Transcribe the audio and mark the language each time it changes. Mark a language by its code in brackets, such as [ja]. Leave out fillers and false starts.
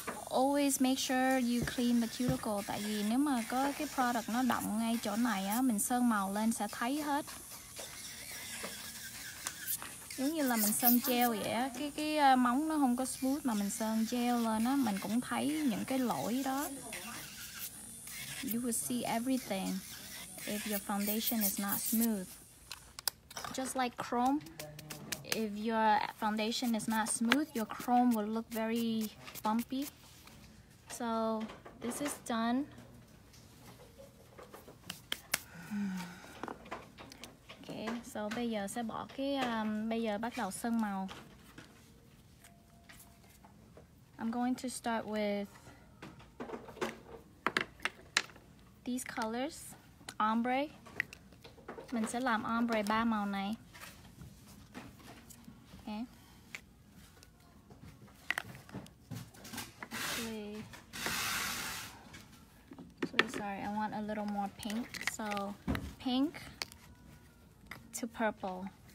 [en] Always make sure you clean the cuticle, [vi] tại vì nếu mà có cái product nó đọng ngay chỗ này á, mình sơn màu lên sẽ thấy hết. Giống như là mình sơn gel vậy á, cái móng nó không có smooth mà mình sơn gel lên á, mình cũng thấy những cái lỗi đó. [en] You will see everything if your foundation is not smooth. Just like chrome, if your foundation is not smooth, your chrome will look very bumpy. So, this is done. [vi] So bây giờ sẽ bỏ cái bây giờ bắt đầu sơn màu. [en] I'm going to start with these colors, ombre. [vi] Mình sẽ làm ombre 3 màu này. [en] Okay. Actually, sorry, I want a little more pink. So pink to purple.